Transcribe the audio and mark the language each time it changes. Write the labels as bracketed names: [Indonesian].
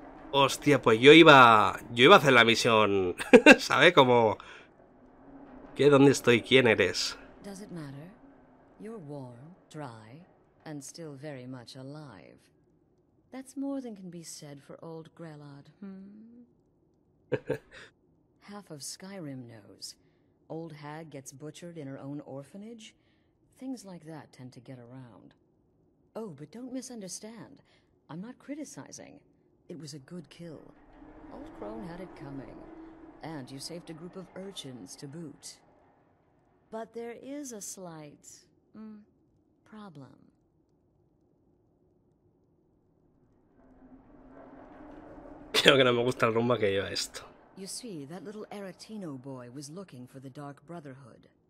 [Spanish] Hostia, pues yo iba a hacer la misión, ¿sabe? Como ¿qué? ¿Dónde estoy? ¿Quién eres? [English] Does it matter? You're warm, dry, and still very much alive. That's more than can be said for old Grelod. Half of Skyrim knows. Old hag gets butchered in her own orphanage. Things like that tend to get around. Oh, but don't misunderstand. I'm not criticizing. It was a good kill. Old Crone had it coming. And you saved a group of urchins to boot. But there is a slight... problem. [Spanish] Creo que no me gusta el rumbo que lleva esto. [English] You see, that little Aretino boy was looking for the Dark Brotherhood.